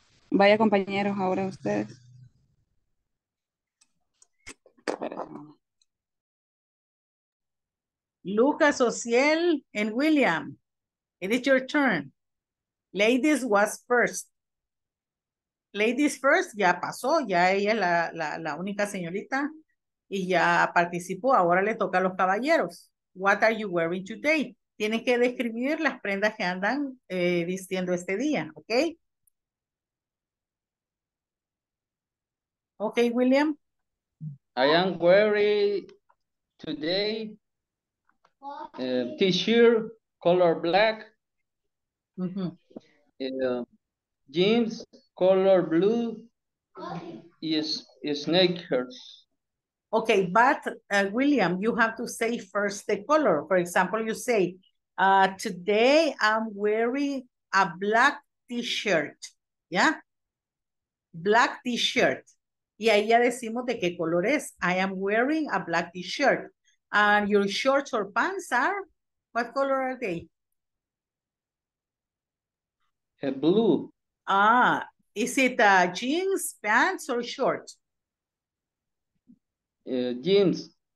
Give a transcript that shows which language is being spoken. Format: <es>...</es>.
<es>Vaya compañeros, ahora ustedes.</es> <en>Lucas, Ociel, and William, it is your turn. Ladies was first. Ladies first,</en> <es>ya pasó, ya ella es la única señorita y ya participó. Ahora le toca a los caballeros.</es> <en>What are you wearing today?</en> <es>Tienes que describir las prendas que andan vistiendo este día, ¿ok?</es> <en>Ok, William. I am wearing today t-shirt color black, jeans color blue, sneakers. Okay, but William, you have to say first the color. For example, you say, today I'm wearing a black t-shirt. Yeah? Black t-shirt.</en> <es>Y ahí ya decimos de qué color es.</es> <en>I am wearing a black t-shirt. And your shorts or pants are, what color are they? Blue. Ah, is it jeans, pants, or shorts? Jeans.</en>